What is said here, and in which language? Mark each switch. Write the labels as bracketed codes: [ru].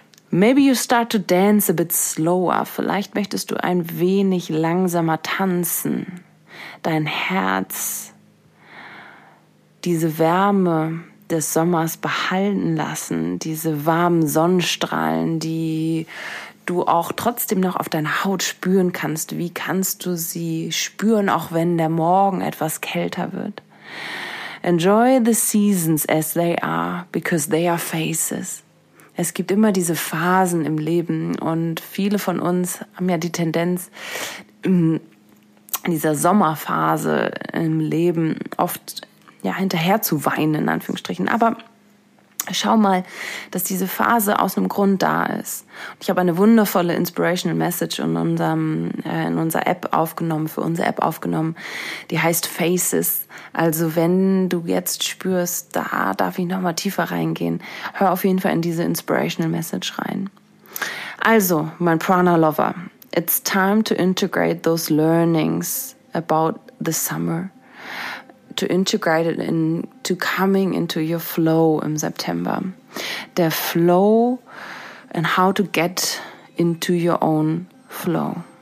[en] Maybe you start to dance a bit slower. [de] Vielleicht möchtest du ein wenig langsamer tanzen. Dein Herz diese Wärme des Sommers behalten lassen. Diese warmen Sonnenstrahlen, die du auch trotzdem noch auf deiner Haut spüren kannst. Wie kannst du sie spüren, auch wenn der Morgen etwas kälter wird? [en] Enjoy the seasons as they are, because they are phases. [de] Es gibt immer diese Phasen im Leben und viele von uns haben ja die Tendenz, in dieser Sommerphase im Leben oft ja hinterher zu weinen, in Anführungsstrichen. Aber schau mal, dass diese Phase aus einem Grund da ist. Ich habe eine wundervolle Inspirational Message in unsere App aufgenommen. Die heißt Faces. Also wenn du jetzt spürst, da darf ich nochmal tiefer reingehen, hör auf jeden Fall in diese Inspirational Message rein. Also, mein [en] Prana-Lover, it's time to integrate those learnings about the summer. To integrate it into coming into your flow [de] im September. [en] Der Flow and how to get into your own flow.